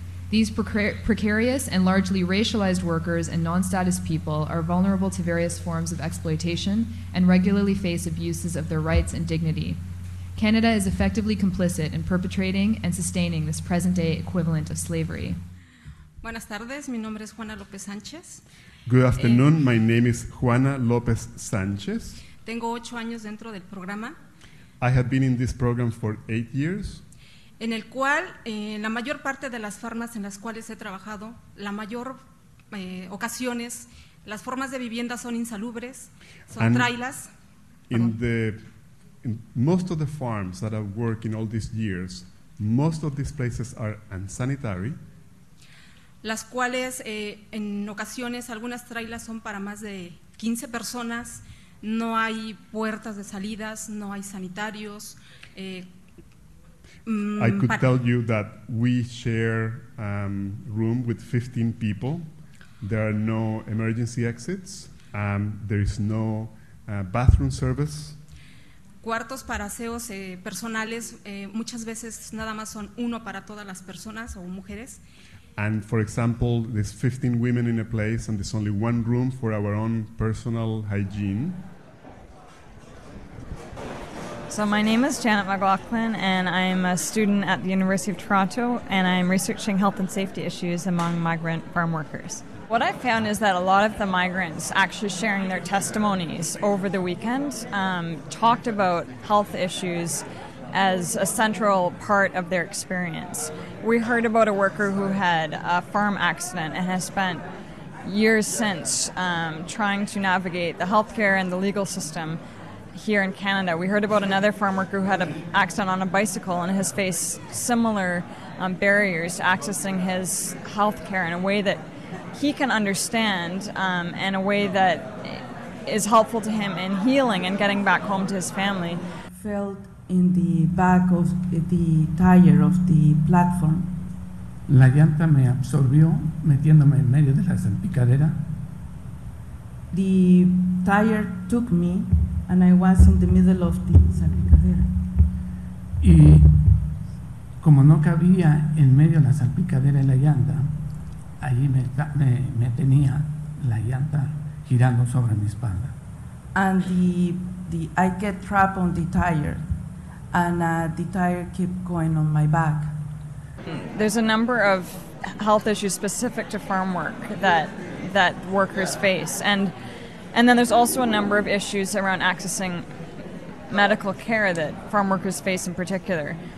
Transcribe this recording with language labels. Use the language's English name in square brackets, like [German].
[English] These precarious and largely racialized workers and non-status people are vulnerable to various forms of exploitation and regularly face abuses of their rights and dignity. Canada is effectively complicit in perpetrating and sustaining this present-day equivalent of slavery. [Spanish] Buenas tardes, mi nombre es Juana López Sánchez. [English] Good afternoon, my name is Juana López Sánchez. [Spanish] Tengo 8 años dentro del programa. [English] I have been in this program for 8 years. [Spanish] En el cual la mayor parte de las formas en las cuales he trabajado, la mayor ocasiones, las formas de vivienda son insalubres, son [English] and trailers. In most of the farms that I've worked in all these years, most of these places are unsanitary. [Spanish] Las cuales en ocasiones algunas trailers son para más de 15 personas, no hay puertas de salidas, no hay sanitarios. [English] I could tell you that we share a room with 15 people. There are no emergency exits. There is no bathroom service. [Spanish] Cuartos para aseos personales muchas veces nada más son uno para todas las personas o mujeres. [English] And for example, there's 15 women in a place and there's only one room for our own personal hygiene. So my name is Janet McLaughlin, and I'm a student at the University of Toronto, and I'm researching health and safety issues among migrant farm workers. What I found is that a lot of the migrants actually sharing their testimonies over the weekend talked about health issues as a central part of their experience. We heard about a worker who had a farm accident and has spent years since trying to navigate the healthcare and the legal system here in Canada. We heard about another farm worker who had an accident on a bicycle and has faced similar barriers to accessing his health care in a way that he can understand and a way that is helpful to him in healing and getting back home to his family. Felt in the back of the tire of the platform. [Spanish] La llanta me absorbió metiéndome en medio de la salpicadera. [English] The tire took me and I was in the middle of the salpicadera. [Spanish] Y como no cabía en medio de la salpicadera y la llanta, allí me tenía la llanta girando sobre mi espalda. [English] And I get trapped on the tire and the tire keep going on my back. There's a number of health issues specific to farm work that workers face. And then there's also a number of issues around accessing medical care that farm workers face in particular.